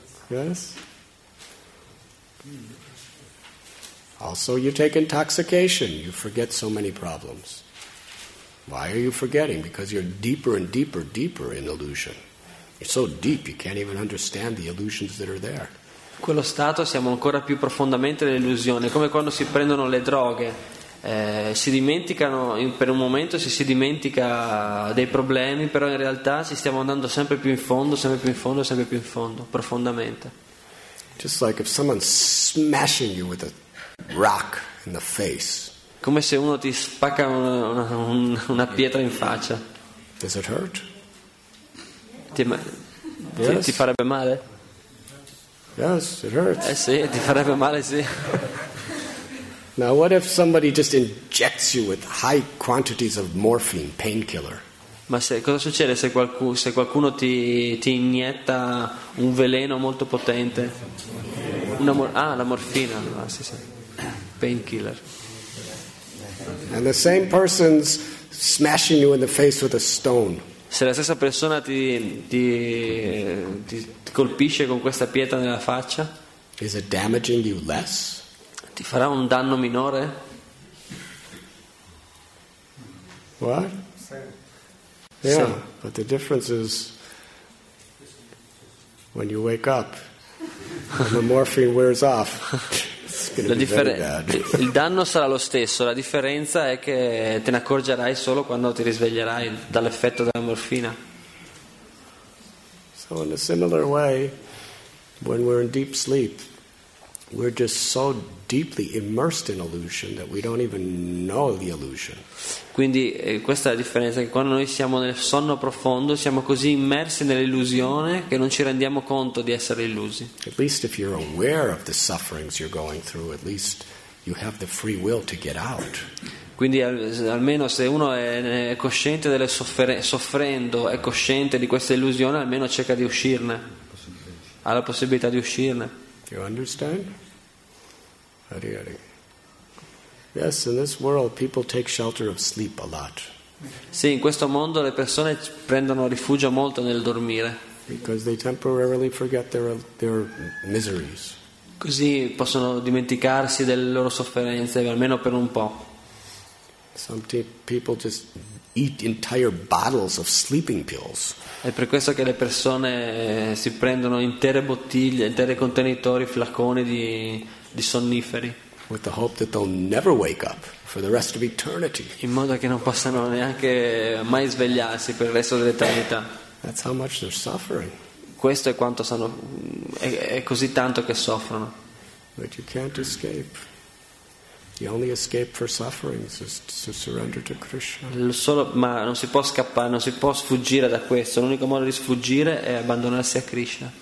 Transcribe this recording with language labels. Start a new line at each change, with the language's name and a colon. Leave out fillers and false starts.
English: Yes? Also, you take intoxication. You forget so many problems. Why are you forgetting? Because you're deeper and deeper, deeper in illusion. You're so deep, you can't even understand the illusions that are there.
Italian: Quello stato siamo ancora più profondamente nell'illusione, come quando si prendono le droghe. Si dimenticano per un momento, si dimentica dei problemi, però in realtà ci stiamo andando sempre più in fondo, sempre più in fondo, sempre più in fondo, profondamente.
English: Just like if someone's smashing you with a rock in the face.
Italian: Come se uno ti spacca una pietra in faccia.
English: Does it hurt?
Italian: Ti farebbe male?
English: Yes, it hurts.
Italian: Sì, ti farebbe male, sì.
English: Now, what if somebody just injects you with high quantities of morphine, painkiller?
Italian: Ma cosa succede se qualcuno ti inietta un veleno molto potente? La morfina, sì, sì.
English: Painkiller. And the same person's smashing you in the face with a stone.
Italian: Se la stessa persona ti colpisce con questa pietra nella faccia,
English: is it damaging you less?
Italian: Ti farà un danno minore?
English: What? Yeah,
Italian: sì.
English: But the difference is when you wake up and the morphine wears off.
Italian: Il danno sarà lo stesso, la differenza è che te ne accorgerai solo quando ti risveglierai dall'effetto della morfina.
English: So in a similar way, when we're in deep sleep, we're just so deeply immersed in illusion that we don't even know the illusion.
Italian: Quindi questa è la differenza, che quando noi siamo nel sonno profondo siamo così immersi nell'illusione che non ci rendiamo conto di essere illusi.
English: At least if you're aware of the sufferings you're going through, at least you have the free will to get out.
Italian: Quindi almeno se uno è cosciente delle soffrendo, è cosciente di questa illusione, almeno cerca di uscirne. Ha la possibilità di uscirne.
English: You understand? Hare Hare. Yes, in this world people take shelter of sleep a lot.
Italian: Sì, in questo mondo le persone prendono rifugio molto nel dormire.
English: Because they temporarily forget their miseries.
Italian: Così possono dimenticarsi delle loro sofferenze almeno per un po'.
English: People just eat entire bottles of sleeping pills.
Italian: È per questo che le persone si prendono intere bottiglie, intere contenitori, flaconi di sonniferi.
English: With the hope that they'll never wake up for the rest of eternity.
Italian: In modo che non possano neanche mai svegliarsi per il resto dell'eternità.
English: That's how much they're suffering.
Italian: Questo è quanto sono, è così tanto che soffrono.
English: But you can't escape. The only escape for suffering is to surrender to Krishna.
Italian: Solo, ma non si può scappare, non si può sfuggire da questo. L'unico modo di sfuggire è abbandonarsi a Krishna.